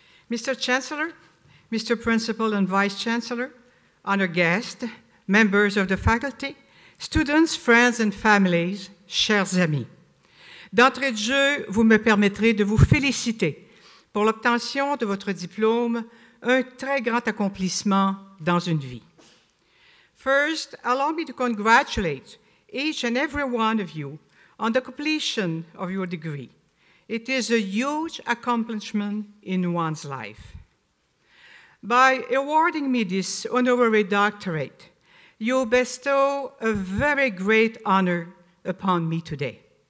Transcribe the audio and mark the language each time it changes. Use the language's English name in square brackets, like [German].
[English] Mr. Chancellor, Mr. Principal and Vice Chancellor, honored guests, members of the faculty, students, friends and families, [French] chers amis. D'entrée de jeu, vous me permettrez de vous féliciter pour l'obtention de votre diplôme, un très grand accomplissement dans une vie. [English] First, allow me to congratulate each and every one of you on the completion of your degree. It is a huge accomplishment in one's life. By awarding me this honorary doctorate, you bestow a very great honor upon me today.